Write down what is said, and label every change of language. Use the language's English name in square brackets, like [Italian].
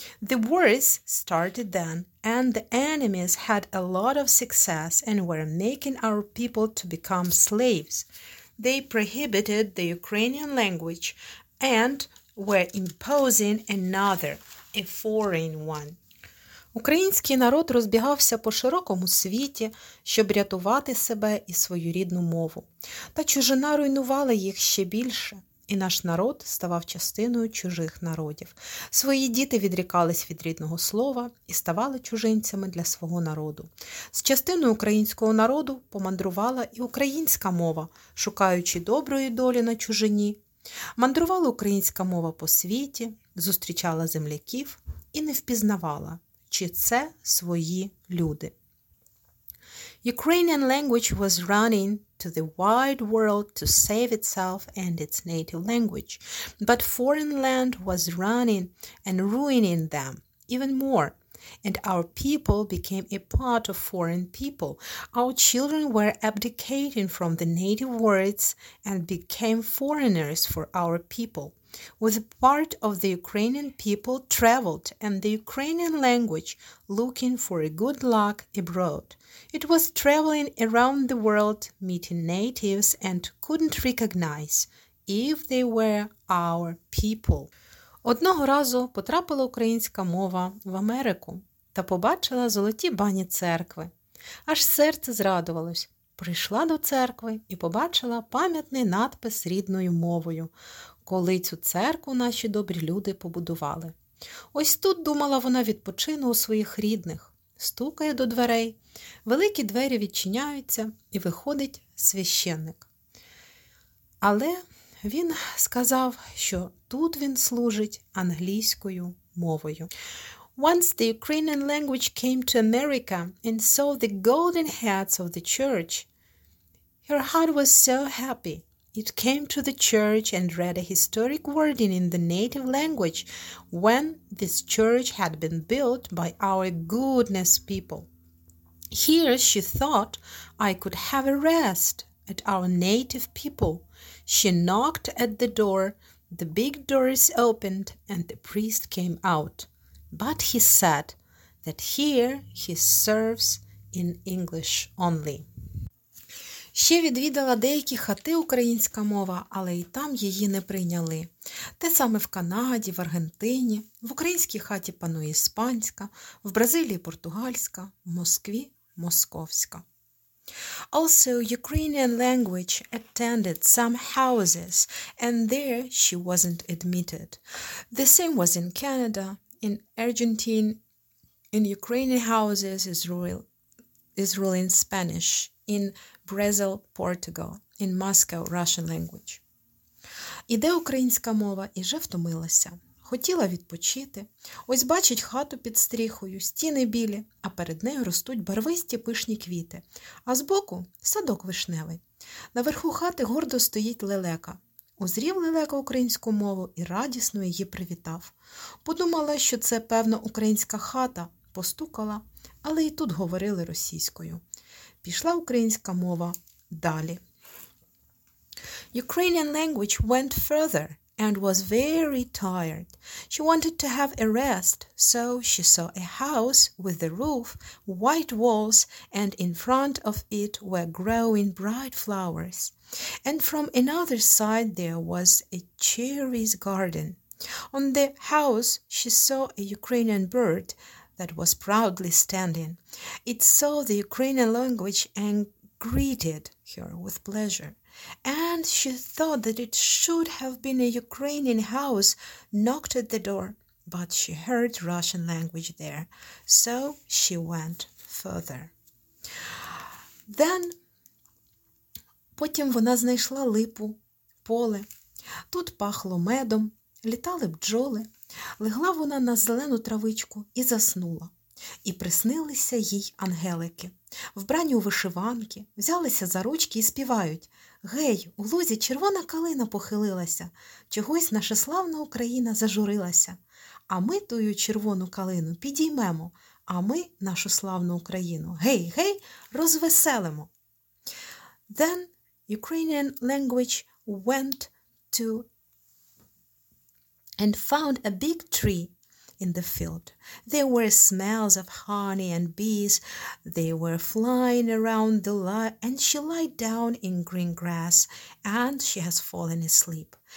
[English] The wars started then, and the enemies had a lot of success and were making our people to become slaves. They prohibited the Ukrainian language and were imposing another, a foreign one. [Ukrainian] Український народ розбігався по широкому світі, щоб рятувати себе і свою рідну мову. Та чужина руйнувала їх ще більше. І наш народ ставав частиною чужих народів. Свої діти відрікались від рідного слова і ставали чужинцями для свого народу. З частиною українського народу помандрувала і українська мова, шукаючи доброї долі на чужині. Мандрувала українська мова по світі, зустрічала земляків і не впізнавала, чи це свої люди. [English] Ukrainian language was running to the wide world to save itself and its native language, but foreign land was running and ruining them even more, and our people became a part of foreign people. Our children were abdicating from the native words and became foreigners for our people. With part of the Ukrainian people traveled and the Ukrainian language looking for a good luck abroad. It was traveling around the world, meeting natives, and couldn't recognize if they were our people. [Ukrainian] Одного разу потрапила українська мова в Америку та побачила золоті бані церкви. Аж серце зрадувалось. Прийшла до церкви і побачила пам'ятний надпис рідною мовою, коли цю церкву наші добрі люди побудували. Ось тут, думала вона, відпочину у своїх рідних. Стукає до дверей, великі двері відчиняються, і виходить священник. Але Він сказав, що тут він служить англійською мовою. [English] Once the Ukrainian language came to America and saw the golden heads of the church, her heart was so happy. It came to the church and read a historic wording in the native language when this church had been built by our goodness people. Here, she thought, I could have a rest at our native people. She knocked at the door, the big doors opened, and the priest came out. But he said that here he serves in English only. [Ukrainian] Ще відвідала деякі хати українська мова, але і там її не прийняли. Те саме в Канаді, в Аргентині, в українській хаті панує іспанська, в Бразилії – португальська, в Москві – московська. [English] Also, Ukrainian language attended some houses, and there she wasn't admitted. The same was in Canada, in Argentina, in Ukrainian houses is ruled in Spanish, in Brazil, Portugal, in Moscow, Russian language. [Ukrainian] Іде українська мова і вже втомилася. Хотіла відпочити. Ось бачить хату під стріхою, стіни білі, а перед нею ростуть барвисті пишні квіти. А збоку – садок вишневий. Наверху хати гордо стоїть лелека. Узрів лелека українську мову і радісно її привітав. Подумала, що це, певно, українська хата. Постукала, але і тут говорили російською. Пішла українська мова далі. [English] Ukrainian language went further and was very tired. She wanted to have a rest, so she saw a house with the roof, white walls, and in front of it were growing bright flowers. And from another side there was a cherries garden. On the house she saw a Ukrainian bird that was proudly standing. It saw the Ukrainian language and greeted her with pleasure. And she thought that it should have been a Ukrainian house, knocked at the door, but she heard Russian language there. So she went further. Then, [Ukrainian] потім вона знайшла липу, поле. Тут пахло медом, літали бджоли. Легла вона на зелену травичку і заснула. І приснилися їй ангелики. Вбрані у вишиванки, взялися за ручки і співають. Гей, у лузі червона калина похилилася, чогось наша славна Україна зажурилася. А ми тую червону калину підіймемо, а ми нашу славну Україну, гей, гей, розвеселимо. [English] Then Ukrainian language went to and found a big tree in the field. There were smells of honey and bees. They were flying around the light, and she lied down in green grass, and she has fallen asleep.